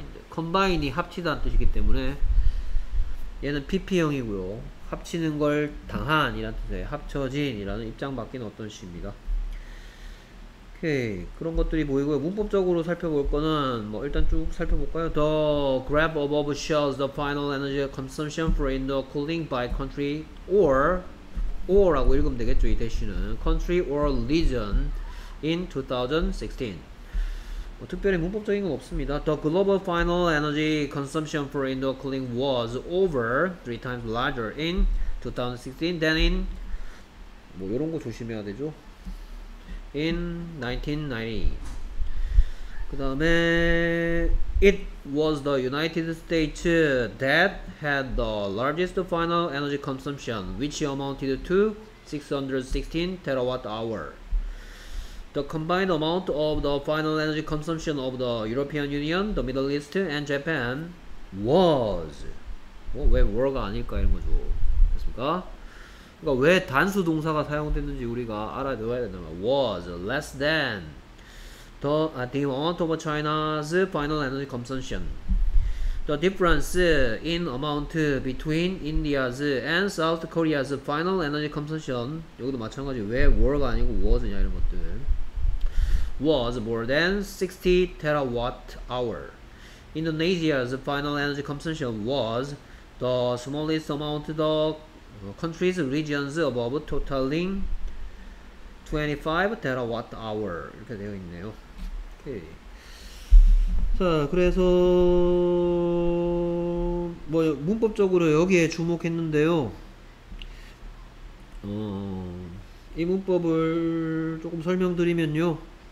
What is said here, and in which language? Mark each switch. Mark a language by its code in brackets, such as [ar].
[ko] combined이 합치다는 뜻이기 때문에 얘는 pp형이고요. 합치는 걸 당한 이란 뜻이에요. 합쳐진 이라는 입장 바뀐 어떤 시입니다. 오케이. 그런 것들이 보이고요. 문법적으로 살펴볼 거는 뭐 일단 쭉 살펴볼까요? [en] The graph above shows the final energy consumption for indoor cooling by country or [ko] 라고 읽으면 되겠죠. 이 대신은 [en] country or region in 2016. [ko] 뭐 특별히 문법적인 건 없습니다. [en] The global final energy consumption for indoor cooling was over 3 times larger in 2016 than in [ko] 뭐 이런 거 조심해야 되죠. [en] In 1990. [ko] 그 다음에 [en] It was the United States that had the largest final energy consumption which amounted to 616 terawatt hour. The combined amount of the final energy consumption of the European Union, the Middle East, and Japan was [ko] 뭐 왜 were가 아닐까 이런 거죠. 됐습니까? 그러니까 왜 단수 동사가 사용됐는지 우리가 알아둬야 되는 거. [en] was less than the amount of China's final energy consumption. The difference in amount between India's and South Korea's final energy consumption [ko] 여기도 마찬가지 왜 were가 아니고 was냐 이런 것들 [en] was more than 60 terawatt hour. Indonesia's final energy consumption was the smallest amount the country's regions above totaling 25 terawatt hour. [ko] 이렇게 되어 있네요. 오케이. 자, 그래서 뭐 문법적으로 여기에 주목했는데요. 이 문법을 조금 설명드리면요.